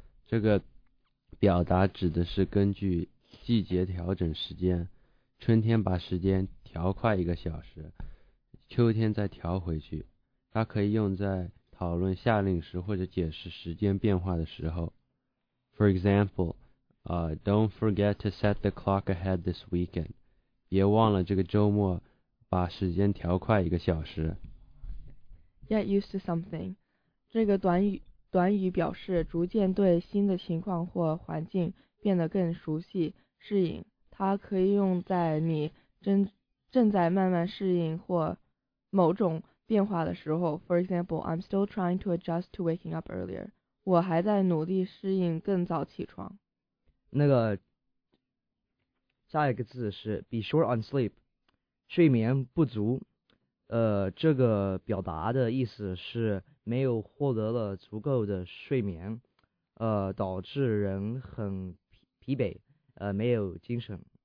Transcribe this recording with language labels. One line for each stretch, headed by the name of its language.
Chinese: 这个表达指的是根据季节调整时间，春天把时间调快一个小时，秋天再调回去。它可以用在讨论下令时或者解释时间变化的时候。
English: For example, don't forget to set the clock ahead this weekend，
Chinese: 别忘了这个周末把时间调快一个小时。
English: Get used to something，
Chinese: 这个短语表示逐渐对新的情况或环境变得更熟悉、适应。它可以用在你正在慢慢适应或某种变化的时候。
English: For example, I'm still trying to adjust to waking up earlier。
Chinese: 我还在努力适应更早起床。那个下一个字是
English: be short on sleep。
Chinese: 睡眠不足，这个表达的意思是没有获得了足够的睡眠，导致人很疲惫，没有精神。